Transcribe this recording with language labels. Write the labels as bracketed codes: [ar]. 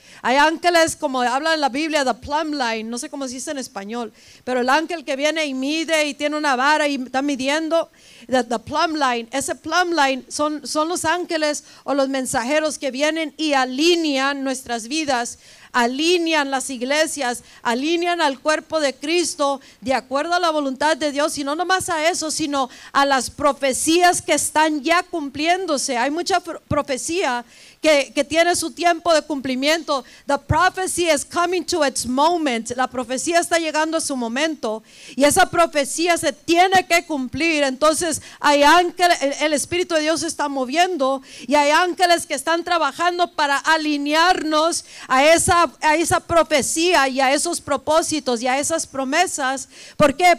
[es] Hay ángeles, como habla en la Biblia, the plumb line, no sé cómo se dice en español, pero el ángel que viene y mide y tiene una vara y está midiendo, the plumb line, ese plumb line son los ángeles o los mensajeros que vienen y alinean nuestras vidas, alinean las iglesias, alinean al cuerpo de Cristo de acuerdo a la voluntad de Dios, y no nomás a eso, sino a las profecías que están ya cumpliéndose. Hay mucha profecía que tiene su tiempo de cumplimiento. [en] The prophecy is coming to its moment. [es] La profecía está llegando a su momento y esa profecía se tiene que cumplir. Entonces hay ángeles, el Espíritu de Dios se está moviendo y hay ángeles que están trabajando para alinearnos a esa profecía y a esos propósitos y a esas promesas. ¿Por qué?